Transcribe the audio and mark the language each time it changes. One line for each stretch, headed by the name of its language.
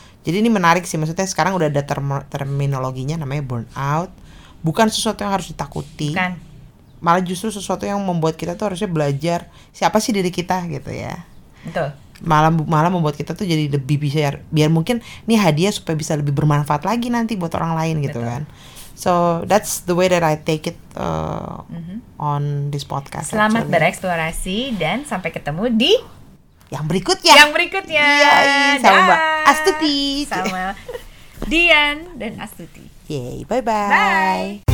Indonesian: Jadi ini menarik sih, maksudnya sekarang udah ada terminologinya namanya burnout, bukan sesuatu yang harus ditakuti, bukan. Malah justru sesuatu yang membuat kita tuh harusnya belajar siapa sih diri kita gitu ya. Betul. Malah membuat kita tuh jadi lebih bisa biar mungkin ini hadiah supaya bisa lebih bermanfaat lagi nanti buat orang lain gitu. Betul. Kan.
English: So that's the way that I take it on this podcast.
Indonesian: Selamat
English: actually
Indonesian: bereksplorasi dan sampai ketemu di yang berikutnya. Yang berikutnya. Yay, sama Mbak Astuti. Sama Dian dan Astuti. Yay, bye-bye. Bye.